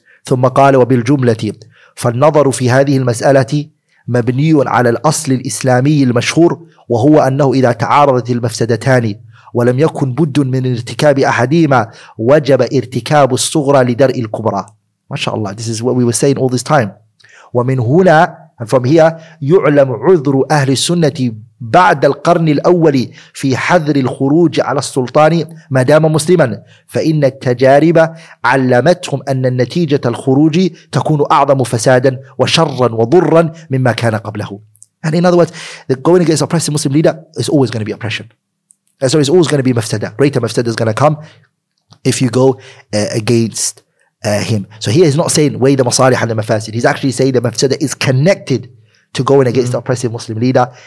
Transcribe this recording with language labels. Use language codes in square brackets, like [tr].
[ar] ثُمَّ قَالَ وَبِالْجُمْلَةِ فَالنَّظَرُ فِي هَذِهِ الْمَسْأَلَةِ مبني على الأصل الإسلامي المشهور وهو أنه إذا تعارضت المفسدتان ولم يكن بد من ارتكاب أحدهما وجب ارتكاب الصغرى لدرء الكبرى. ما شاء الله. [en] This is what we were saying all this time. [ar] ومن هنا [en] and from here [ar] يعلم عذر أهل السنة بعد القرن الأول في حذر الخروج على السلطان ما دام مسلما فإن التجارب علمتهم أن النتيجة الخروج تكون أعظم فسادا وشرا وضرا مما كان قبله. [en] And in other words, the going against an oppressive Muslim leader is always going to be oppression. So it's always going to be mafsada. Greater mafsada is going to come if you go against him. So here he's not saying weigh the masalih and the mafasid. He's actually saying the mafsada is connected to going against the oppressive Muslim leader.